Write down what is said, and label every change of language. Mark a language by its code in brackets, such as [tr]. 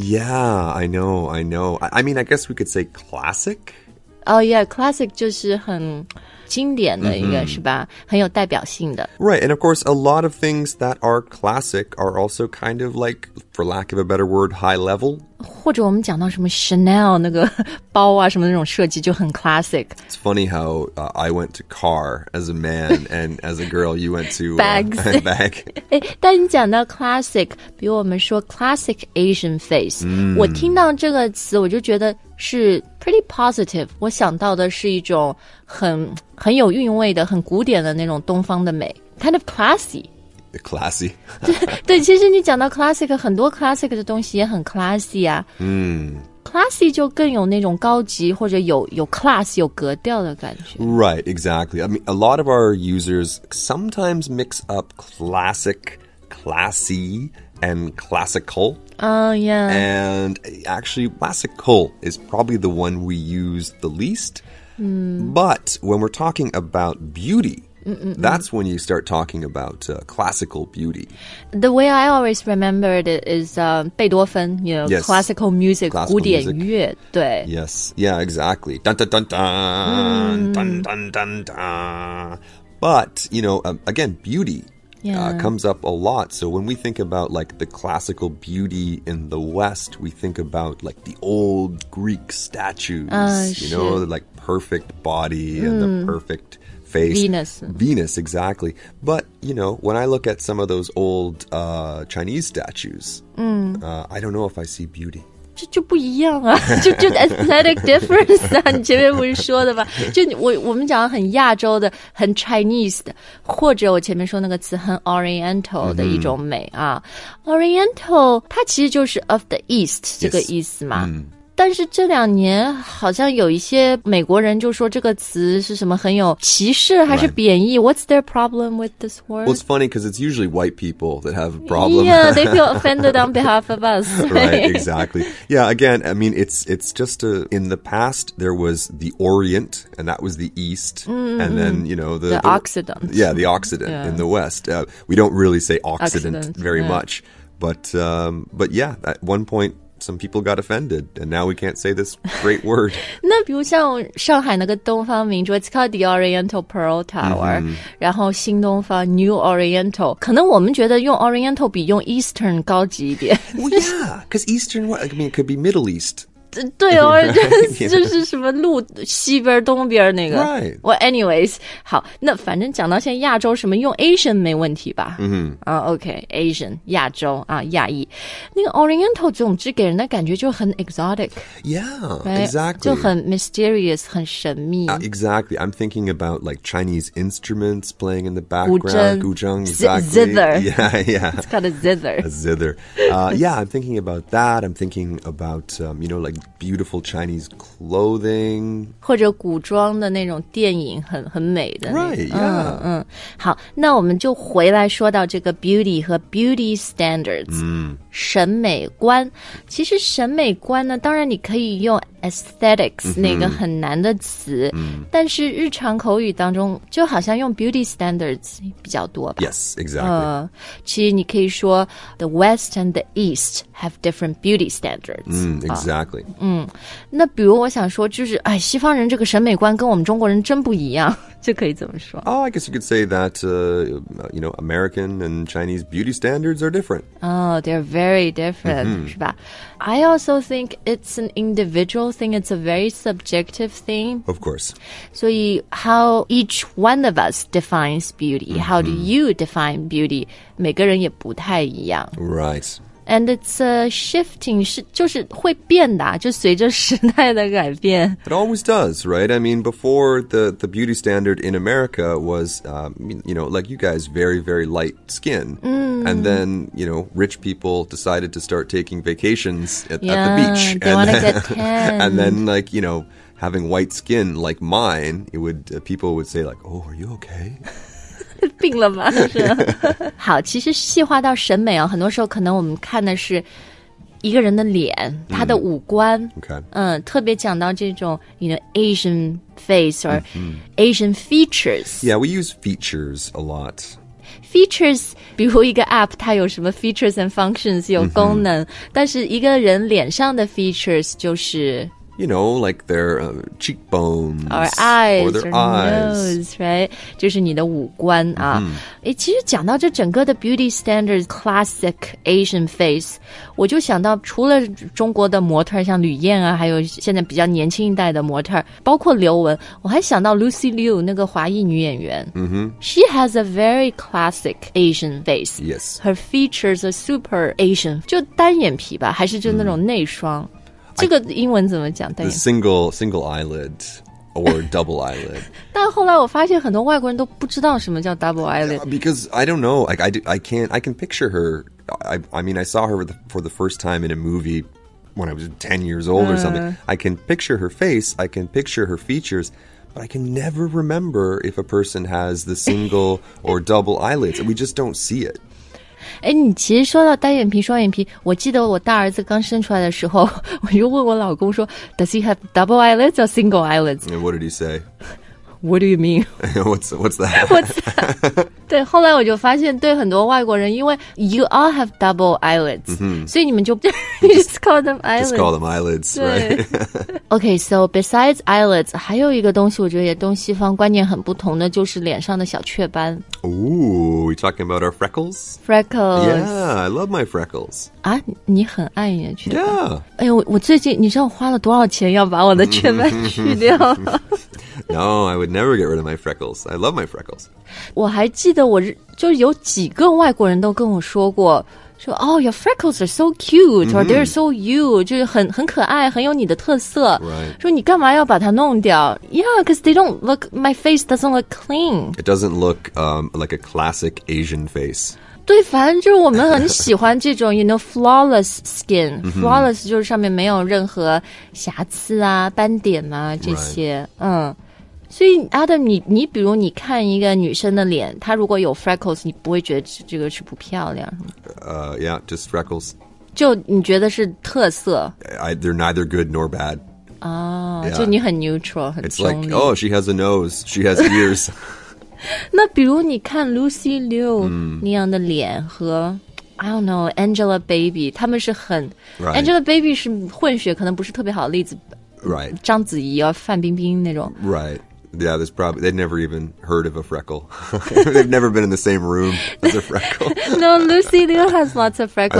[en] Yeah, I know, I know. I mean, I guess we could say classic. Oh yeah, [zh] classic 就是很经典的一个、mm-hmm. 是吧，很有代表性的。 [en] Right, and of course, a lot of things that are classic are also kind of like, for lack of a better word, high level. [zh] 或者我们讲到什么 Chanel 那个包啊，什么那种设计就很 classic. [en] It's funny how、I went to car as a man, and as a girl, you went to bags. bag. [zh] 但你讲到 classic, 比如我们说 classic Asian face,、 mm. 我听到这个词我就觉得是 [en] pretty positive, [zh] 我想到的是一种很有韵味的很古典的那种东方的美 [en] kind of classy [zh] 对，其实你讲到 classic 很多 classic 的东西也很 classy 啊、 mm. classy 就更有那种高级或者有 class 有格调的感觉 [en] right exactly I mean a lot of our users sometimes mix up classic classy and classical Oh, yeah. And actually, classical is probably the one we use the least.、 Mm. But when we're talking about beauty,、 Mm-mm-mm. that's when you start talking about、classical beauty. The way I always remembered it is、Beethoven, you know,、 yes. classical music, [zh] 古典乐对 [en] Yes, yeah, exactly. Dun, dun, dun, dun,、mm. dun, dun, dun, dun. But, you know,、again, beauty. Yeah. Comes up a lot. So when we think about like the classical beauty in the West, we think about like the old Greek statues, you know, like perfect body、mm. and the perfect face. Venus, exactly. But, you know, when I look at some of those old、Chinese statues,、 mm. I don't know if I see beauty. [zh] 就不一样啊，就 [en] aesthetic difference [zh] 啊，你前面不是说的吗？就我们讲很亚洲的，很 Chinese 的，或者我前面说那个词很 Oriental 的一种美啊、mm-hmm. ，Oriental 它其实就是 [en] of the East [zh] 这个意思嘛。 [en] Yes. Mm-hmm. [zh] 但是这两年好像有一些美国人就说这个词是什么很有歧视还是贬义、 [en] right. What's their problem with this word? Well, it's funny because it's usually white people that have a problem. Yeah, they feel offended on behalf of us. Right, exactly. Yeah, again, I mean, it's just a, in the past, there was the Orient and that was the East.、 Mm-hmm. And then, you know, the Occident. Yeah, the Occident、 yeah. in the West.、we don't really say Occident, very、 yeah. much. But yeah, at one point,Some people got offended, and now we can't say this great word. [zh] 那比如像上海那个东方明珠 [en] it's called the Oriental Pearl Tower,、 mm-hmm. [zh] 然后新东方 New Oriental. 可能我们觉得用 Oriental 比用 Eastern 高级一点。 [en] Well, yeah, because Eastern, I mean, it could be Middle East. [zh] 对哦，就是什么路西边东边那个。 [en] Right. Well, anyways, [zh] 好，那反正讲到现在亚洲什么用 Asian 没问题吧？嗯、 mm-hmm. ，OK, Asian 亚洲啊，亚裔。那个 Oriental 总之给人的感觉就很 exotic. [en] Yeah, exactly. [zh] 就很 mysterious, 很神秘。 [en] Exactly. I'm thinking about like Chinese instruments playing in the background. [zh] 古筝 [en] exactly. Zither. Yeah, yeah. It's called a zither. A zither. yeah, I'm thinking about that. I'm thinking about, you know, like beautiful Chinese clothing. [zh] 或者古装的那种电影很美的。 [en] Right, yeah. [zh] 好，那我们就回来说到这个 beauty 和 beauty standards,、审美观。其实审美观呢，当然你可以用aesthetics 那个很难的词、但是日常口语当中就好像用 beauty standards 比较多吧 [en] Yes, exactly、 [zh] 其实你可以说 [en] The West and the East have different beauty standards、 Exactly、 [zh] 那比如我想说就是哎，西方人这个审美观跟我们中国人真不一样这可以怎么说 [en] Oh, I guess you could say that、you know, American and Chinese beauty standards are different Oh, they're very different、 [zh] 是吧 [en] I also think it's an individual thing, it's a very subjective thing. Of course. So how each one of us defines beauty,、how do you define beauty? [zh] 每个人也不太一样。 [en] Right. And it's shifting, [zh] 就是会变的就随着时代的改变。 [en] It always does, right? I mean, before the beauty standard in America was,、you know, like you guys, very, very light skin.、And then, you know, rich people decided to start taking vacations at the beach. They want to get tanned. And then, like, you know, having white skin like mine, it would,、people would say like, oh, are you okay? [zh] 病了吗? 好,其实细化到审美哦,很多时候可能我们看的是一个人的脸,他的五官。特别讲到这种, [en] you know, [zh] Asian face or Asian features. [en] Yeah, we use features a lot. [zh] Features, 比如一个 app, 它有什么 features and functions, 有功能、但是一个人脸上的 features 就是 [en] You know, like their、cheekbones, or eyes, or their eyes, right? [zh] 就是你的五官啊、其实讲到这整个的 beauty standards, classic Asian face, 我就想到除了中国的模特像吕燕啊还有现在比较年轻一代的模特包括刘雯我还想到 Lucy Liu, 那个华裔女演员、 [en] She has a very classic Asian face. Yes. Her features are super Asian, [zh] 就单眼皮吧还是就那种内双。这个英文怎么讲 [en] The single eyelid or double eyelid. [zh] 但后来我发现很多外国人都不知道什么叫 double eyelid. [en] Yeah, because I don't know, like, I can picture her. I mean, I saw her for the first time in a movie when I was 10 years old or something. I can picture her face, I can picture her features, but I can never remember if a person has the single or double eyelids. We just don't see it. [zh] 哎，你其实说到单眼皮、双眼皮，我记得我大儿子刚生出来的时候，我就问我老公说 ， [en] Does he have double eyelids or single eyelids? And what did he say? What do you mean? What's that? What's that? [zh] 对，后来我就发现，对很多外国人，因为 [en] you all have double eyelids,、 [zh] 所以你们就 [en] just call them eyelids. Just call them eyelids, right? [zh] Okay, so besides eyelids, 还有一个东西，我觉得也东西方观念很不同的，就是脸上的小雀斑。 [en] Ooh, we talking about our freckles? Freckles. Yeah, I love my freckles. [zh] 啊，你很爱你的雀斑。 [en] Yeah. [zh] 哎呦，我最近，你知道我花了多少钱要把我的雀斑去掉？ [en] No, I would never get rid of my freckles. I love my freckles. [zh] 我还记得我就有几个外国人都跟我说过说 [en] Oh, your freckles are so cute、or they're so you [zh] 就是很可爱很有你的特色、 [en] right. [zh] 说你干嘛要把它弄掉 [en] Yeah, because they don't look My face doesn't look clean. It doesn't look、like a classic Asian face. [zh] 对反正就是我们很喜欢这种 [en] You know, flawless skin、 [zh] Flawless 就是上面没有任何瑕疵啊斑点啊这些、 [en] right. [zh] 所以 Adam 你比如你看一个女生的脸她如果有 freckles 你不会觉得这个是不漂亮 [en] Yeah, just freckles [zh] 就你觉得是特色 [en] They're neither good nor bad [zh] 就你很 neutral 很 [en] It's like, oh, she has a nose, she has ears [zh] 那比如你看 Lucy Liu 那样的脸和 [en] I don't know, [zh] Angela Baby 他们是很、 [en] right. [zh] Angela Baby 是混血可能不是特别好的例子 [en] Right [zh] 章子怡啊范冰冰那种 [en] Right Yeah, that's probably, they'd never even heard of a freckle. They've never been in the same room as a freckle. No, Lucy Liu has lots of freckles.